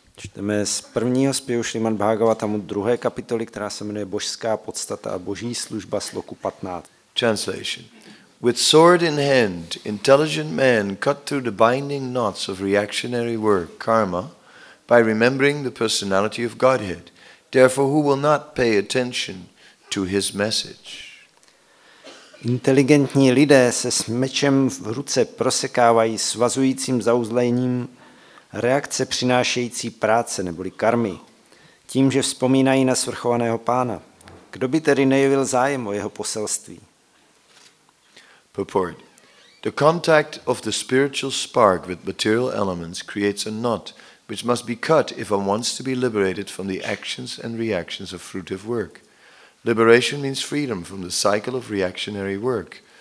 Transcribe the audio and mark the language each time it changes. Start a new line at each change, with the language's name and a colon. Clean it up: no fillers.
Czech: Čteme z prvního zpěvu Srimad Bhagavatamu druhé kapitoly, která se jmenuje Božská podstata a Boží služba, sloku 15.
English: Translation. With sword in hand, intelligent man cut through the binding knots of reactionary work, karma, by remembering the personality of Godhead. Therefore, who will not pay attention to his message?
Czech: Inteligentní lidé se s mečem v ruce prosekávají svazujícím zauzlením reakce přinášející práce neboli karmy, tím, že vzpomínají na svrchovaného pána. Kdo by tedy nejevil zájem o jeho poselství?
English: Purport. The contact of the spiritual spark with material elements creates a knot which must be cut if one wants to be liberated from the actions and reactions of fruitive work. Liberation means freedom from the cycle of reactionary work.